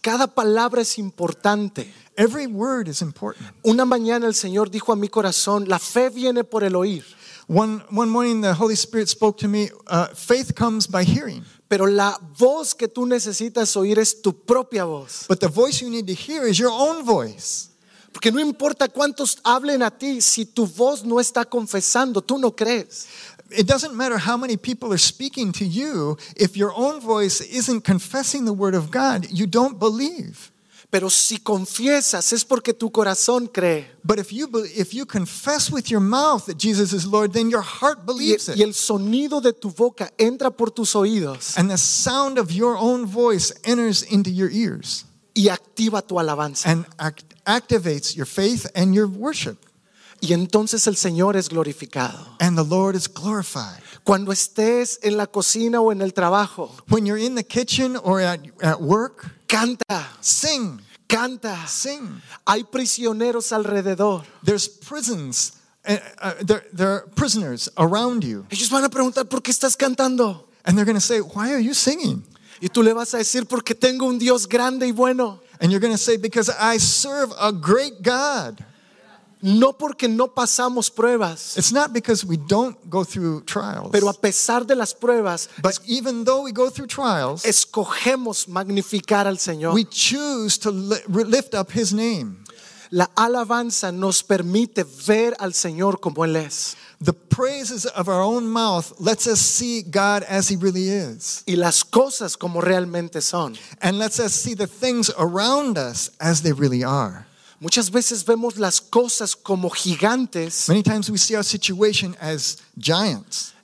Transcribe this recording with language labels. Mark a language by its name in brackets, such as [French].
[Spanish] Cada palabra es importante. [English] Every word is important. [Spanish] Una mañana el Señor dijo a mi corazón, la fe viene por el oír. [English] One morning the Holy Spirit spoke to me, faith comes by hearing. [Spanish] Pero la voz que tú necesitas oír es tu propia voz. [English] But the voice you need to hear is your own voice. [Spanish] Porque no importa cuántos hablen a ti, si tu voz no está confesando, tú no crees. [English] It doesn't matter how many people are speaking to you, if your own voice isn't confessing the word of God, you don't believe. [Spanish] Pero si confiesas, es porque tu corazón cree. [English] But if you confess with your mouth that Jesus is Lord, then your heart believes it. [Spanish] Y el sonido de tu boca entra por tus oídos. [English] And the sound of your own voice enters into your ears. [Spanish] Y activa tu alabanza. [English] And activates your faith and your worship. [Spanish] Y entonces el Señor es glorificado. [English] And the Lord is glorified. [Spanish] Cuando estés en la cocina o en el trabajo. [English] When you're in the kitchen or at work. [Spanish] Canta. [English] Sing. [Spanish] Canta. [English] Sing. [Spanish] Hay prisioneros alrededor. [English] There's prisons. There are prisoners around you. [Spanish] Ellos van a preguntar, ¿por qué estás cantando? [English] And they're going to say, why are you singing? [Spanish] Y tú le vas a decir, porque tengo un Dios grande y bueno. [English] And you're going to say, because I serve a great God. [Spanish] No porque no pasamos pruebas. [English] It's not because we don't go through trials. [Spanish] Pero a pesar de las pruebas, [English] but even though we go through trials, [Spanish] escogemos magnificar al Señor. [English] We choose to lift up his name. [Spanish] La alabanza nos permite ver al Señor como él es. [English] The praises of our own mouth lets us see God as he really is. [Spanish] Y las cosas como realmente son. [English] And lets us see the things around us as they really are. [Spanish] Muchas veces vemos las cosas como gigantes. [English] Many times we see our situation as giants.